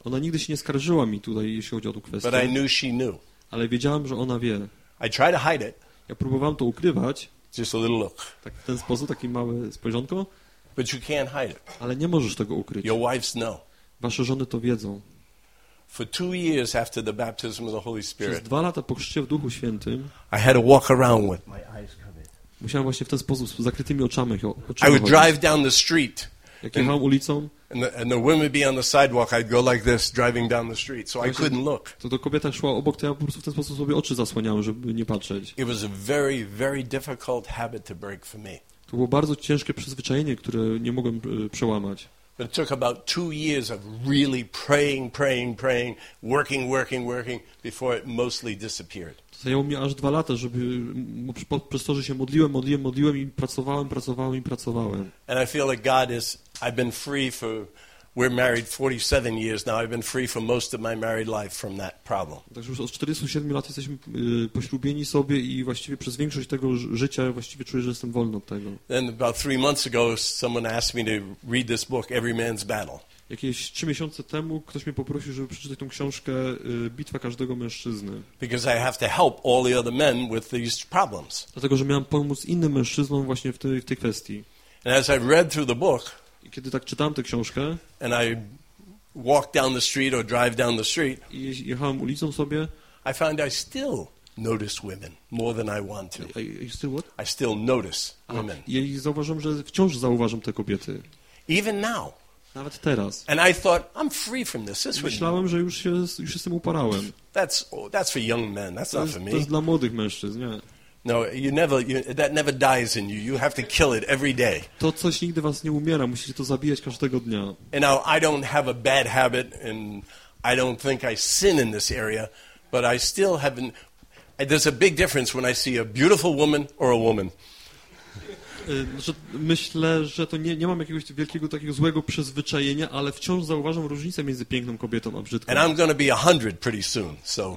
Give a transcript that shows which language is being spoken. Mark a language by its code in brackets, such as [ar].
[pl] Ona nigdy się nie skarżyła mi tutaj, jeśli chodzi o tę kwestię. [en] But I knew she knew. [pl] Ale wiedziałem, że ona wie. [en] I tried to hide it. [pl] Ja próbowałem to ukrywać. [en] Just a little look. [pl] Tak w ten sposób, takie małe spojrzonko. [en] But you can't hide it. [pl] Ale nie możesz tego ukryć. [en] Your wives know. [pl] Wasze żony to wiedzą. [en] For 2 years after the baptism of the Holy Spirit. [pl] Przez 2 lata po chrzcie w Duchu Świętym. [en] I had to walk around with my eyes covered. [pl] Musiałem właśnie w ten sposób z zakrytymi oczami. [en] I would drive down the street. [pl] Jak jechałem ulicą. [en] And the women would be on the sidewalk. I'd go like this, driving down the street, so I couldn't look. [pl] To kobieta szła obok, to ja po prostu w ten sposób sobie oczy zasłaniałem, żeby nie patrzeć. [en] It was a very, very difficult habit to break for me. [pl] To było bardzo ciężkie przyzwyczajenie, które nie mogłem przełamać. [en] But it took about 2 years of really praying, working before it mostly disappeared. [pl] Zajęło mi aż 2 lata, żeby przez to, że się modliłem i pracowałem. [en] And I feel like God is, I've been free for, we're married 47 years now, I've been free for most of my married life from that problem. [pl] Także już od 47 lat jesteśmy poślubieni sobie i właściwie przez większość tego życia właściwie czuję, że jestem wolny od tego. [en] And about 3 months ago someone asked me to read this book, Every Man's Battle. [pl] Jakieś 3 miesiące temu ktoś mnie poprosił, żeby przeczytać tą książkę Bitwa każdego mężczyzny. [en] Because I have to help all the other men with these problems. [pl] Dlatego, że miałem pomóc innym mężczyznom właśnie w tej kwestii. [en] And as I read through the book, [pl] i kiedy tak czytałem tę książkę, [en] and I walked down the street or drive down the street, [pl] i jechałem ulicą sobie, [en] I found I still notice women more than I want to. You still what? I still notice women. [pl] Ja zauważam, że wciąż zauważam te kobiety. [en] Even now. [pl] Nawet teraz. [en] And I thought, I'm free from this. This [pl] myślałem, że już się z tym uparałem. [en] That's for young men. That's not for me. [pl] To jest dla młodych mężczyzn, nie. [en] No, that never dies in you. You have to kill it every day. [pl] To coś nigdy was nie umiera. Musicie to zabijać każdego dnia. [en] And now I don't have a bad habit, and I don't think I sin in this area, but I still haven't. There's a big difference when I see a beautiful woman or a woman. [pl] Myślę, że to nie mam jakiegoś wielkiego takiego złego przyzwyczajenia, ale wciąż zauważam różnicę między piękną kobietą a brzydką. [en] And I'm going to be 100 pretty soon, so.